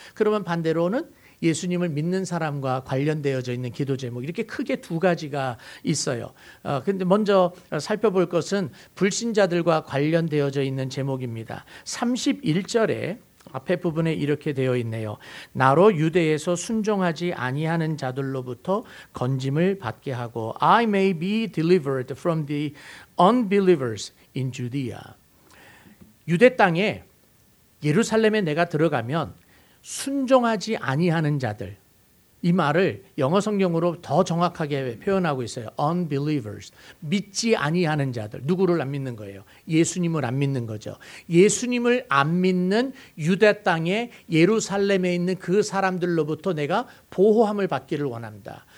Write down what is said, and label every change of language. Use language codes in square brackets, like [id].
[ko] 그러면 반대로는 예수님을 믿는 사람과 관련되어져 있는 기도 제목 이렇게 크게 두 가지가 있어요. 근데 먼저 살펴볼 것은 불신자들과 관련되어져 있는 제목입니다. 31절에 앞에 부분에 이렇게 되어 있네요. 나로 유대에서 순종하지 아니하는 자들로부터 건짐을 받게 하고 [en] I may be delivered from the unbelievers in Judea. [ko] 유대 땅에 예루살렘에 내가 들어가면 순종하지 아니하는 자들 이 말을 영어 성경으로 더 정확하게 표현하고 있어요. Unbelievers, 믿지 아니하는 자들. 누구를 안 믿는 거예요? 예수님을 안 믿는 거죠. 예수님을 안 믿는 유대 땅에 예루살렘에 있는 그 사람들로부터 내가 보호함을 받기를 원한다.